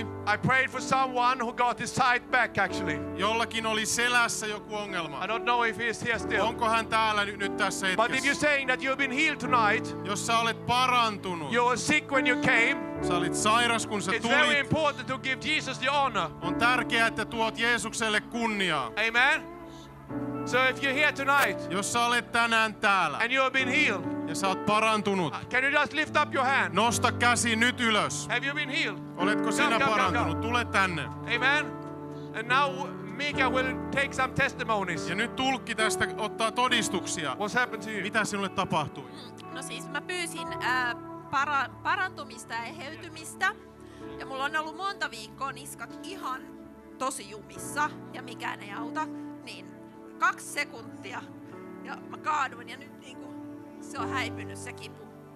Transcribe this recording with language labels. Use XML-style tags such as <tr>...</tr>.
<en>I prayed for someone who got his side back actually.</en> <fi>Jollakin oli selässä joku ongelma.</fi> <en>I don't know if he is here still.</en> <fi>Onko hän täällä nyt tässä hetkessä?</fi> <en>But if you're saying that you've been healed tonight.</en> <fi>Jos sä olet parantunut.</fi> <en>You were sick when you came.</en> <fi>Sä olit sairas kun sä</fi> <en>it's</en> <fi>tulit.</fi> <en>It's very important to give Jesus the honor.</en> <fi>On tärkeää että tuot Jeesukselle kunniaa.</fi> <en>Amen. So if you're here tonight,</en> <fi>jos sä olet tänään täällä,</fi> <en>and you have been healed,</en> <fi>ja sä oot parantunut,</fi> <en>can you just lift up your hand?</en> <fi>Nosta käsi nyt ylös.</fi> <en>Have you been healed?</en> <fi>Oletko sinä parantunut? Tule tänne. Amen.</fi> <en>And now Mika will take some testimonies.</en> <fi>Ja nyt tulkki tästä ottaa todistuksia.</fi> <en>What's happened to you?</en> <fi>Mitä sinulle tapahtui? No siis mä pyysin parantumista ja heytymistä, ja mulla on ollut monta viikkoa niskat ihan tosi jumissa, ja mikään ei auta, niin 2 sekuntia ja mä kaaduin ja nyt niinku se on häipynyt se kipu.</fi>